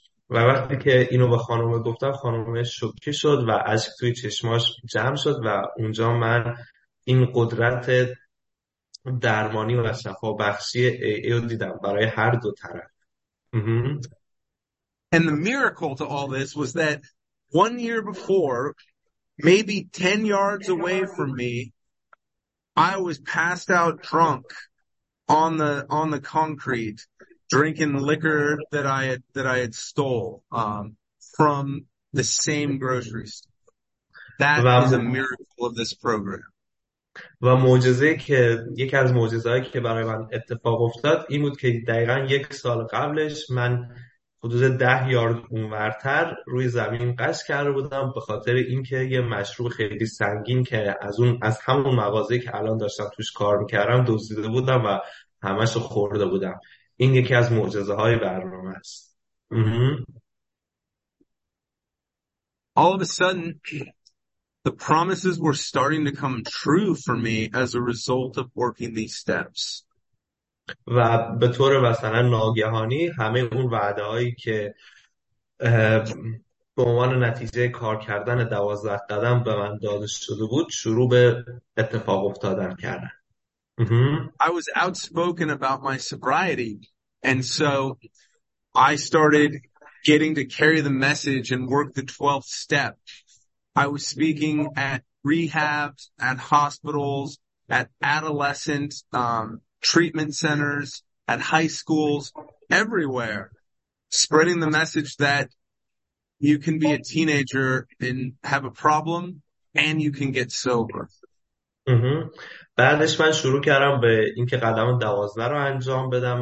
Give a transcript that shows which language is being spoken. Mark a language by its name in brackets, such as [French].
[Persian] و وقتی که اینو به خانم گفتم، خانم شوکه شد و اشک توی چشماش جمع شد، و اونجا من این قدرت درمانی و شفا بخشی ای رو دیدم برای هر دو طرف. [English] And the miracle to all this was that 1 year before, maybe 10 yards away from me, I was passed out drunk on the concrete, drinking liquor that I had stole from the same grocery store. That is a miracle of this program. [Persian] و معجزه که یکی از معجزه‌هایی که برای من اتفاق افتاد این بود که دقیقا یک سال قبلش من حدود 10 یارد اونورتر روی زمین قش کرده بودم، به خاطر اینکه یه مشروب خیلی سنگین که از همون مغازه که الان داشتم توش کار میکردم دزدیده بودم و همش رو خورده بودم. این یکی از معجزه های برنامه است. [English] All of a sudden the promises were starting to come true for me as a result of working these steps. [Persian] و به طور مثلا ناگهانی همه اون وعده هایی که به عنوان نتیجه کار کردن 12 قدم به من داده شده بود شروع به اتفاق افتادن کردن. [English] I was outspoken about my sobriety, and so I started getting to carry the message and work the 12th step. I was speaking at rehabs, at hospitals, at adolescent treatment centers, at high schools, everywhere, spreading the message that you can be a teenager and have a problem, and you can get sober. [Persian] بعدش من شروع کردم به اینکه قدم 12 رو انجام بدم.